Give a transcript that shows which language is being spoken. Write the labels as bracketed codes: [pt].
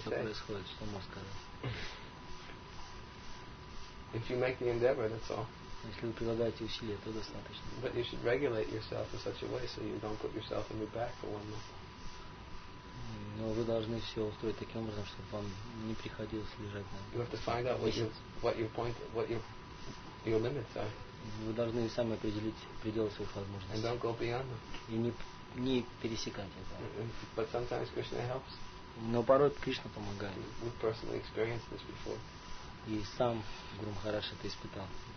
[ru] что происходит, что можно сказать. [en] If you make the endeavor, that's all. [ru] Если вы прилагаете усилия, то достаточно. [en] But you should regulate yourself in such a way so you don't put yourself in your back for one month. [ru] Но вы должны все устроить таким образом, чтобы вам не приходилось лежать на. [en] You have to find out what your limits are. [ru] Вы должны сами определить пределы своих возможностей. [en] And don't go beyond them. [ru] И не пересекать это. [en] But sometimes Krishna helps. [ru] Но порой Кришна помогает. [en] We've personally experienced this before. [ru] И сам Гуру Махарадж это испытал.